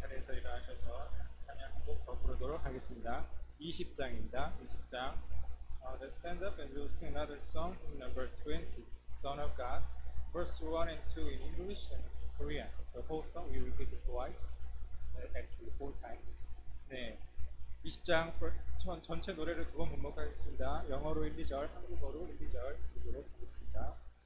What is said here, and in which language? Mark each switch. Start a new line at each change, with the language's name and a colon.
Korean: 일어나셔서 찬양 한 곡 더 부르도록 하겠습니다. 20장입니다. 20장.
English: Let's stand up and we'll sing another song, number 20, Son of God, verse 1 and 2 in English and Korean. The whole song we repeat it twice, actually four times.
Korean: 네, 20장 전체 노래를 두 번 반복하겠습니다. 영어로 1, 2절, 한국어로 1, 2절 부르도록 하겠습니다.